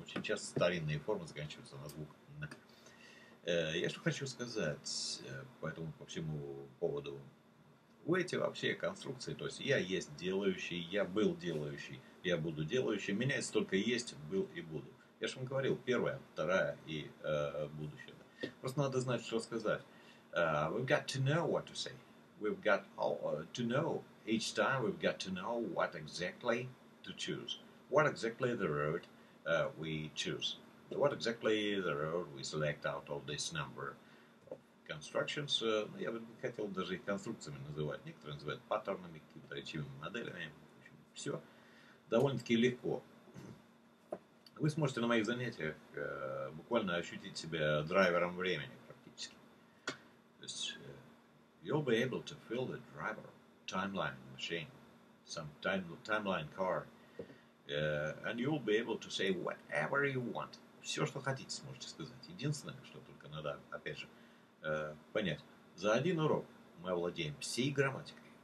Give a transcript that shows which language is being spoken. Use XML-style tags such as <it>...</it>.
<ru>Очень часто старинные формы заканчиваются на звук N. Я что хочу сказать по всему поводу. У этих вообще конструкции, то есть я есть делающий, я был делающий, я буду делающий, меняется только есть, был и буду. Я же вам говорил, первое, второе и будущее. Да. Просто надо знать, что сказать.</ru> <en>We've got to know what to say. We've got all, to know. Each time we've got to know what exactly to choose. What exactly the road we choose. What exactly the road we select out of this number of constructions.</en> <ru>Я бы хотел даже их конструкциями называть. Некоторые называют паттернами, какими-то речевыми моделями. В общем, все довольно-таки легко. Вы сможете на моих занятиях буквально ощутить себя драйвером времени практически. То есть,</ru> <en>you'll be able to feel the driver. Timeline machine, some timeline car, and you'll be able to say whatever you want.</en> <ru>Все, что хотите, сможете сказать. Единственное, что только надо, опять же, понять. За один урок мы овладеем всей грамматикой.</ru>